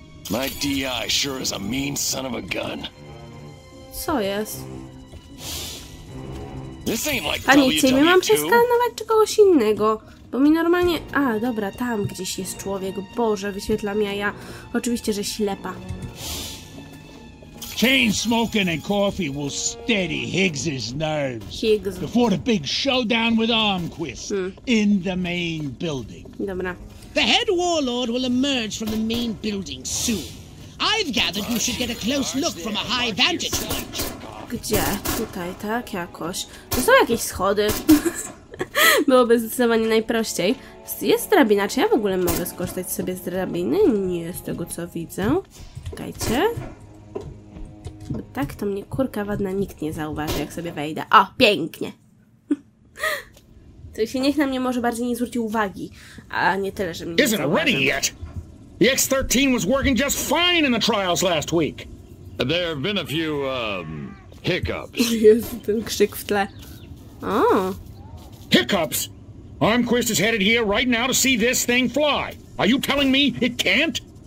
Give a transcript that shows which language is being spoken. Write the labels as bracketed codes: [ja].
[en] My DI sure is a mean son of a gun. So, yes. This ain't like WW2. [pl] Panie, czy mi mam przeskanować czy kogoś innego? Bo mi normalnie... A, dobra, tam gdzieś jest człowiek. Boże, wyświetlam ja. Oczywiście, że ślepa. [en] Chain smoking and coffee will steady Higgs's nerves. Higgs. Before the big showdown with Armquist. In the main building. [pl] Dobra. [en] The head warlord will emerge from the main building soon. I've gathered you should get a close look from a high vantage point. [pl] Gdzie? Tutaj, tak jakoś. To są jakieś schody. Byłoby zdecydowanie najprościej. Jest drabina. Czy ja w ogóle mogę skorzystać sobie z drabiny? Nie, z tego co widzę. Czekajcie. Bo tak to mnie kurka wadna nikt nie zauważy, jak sobie wejdę. O, pięknie. To się niech na mnie może bardziej nie zwróci uwagi, a nie tyle, że mnie. [en] Isn't it ready yet? The X-13 was working just fine in the trials last week. There have been a few hiccups. [pl] Jest ten krzyk w tle. O. [en] Hiccups? Armquist is headed here right now to see this thing fly. Are you telling me it can't?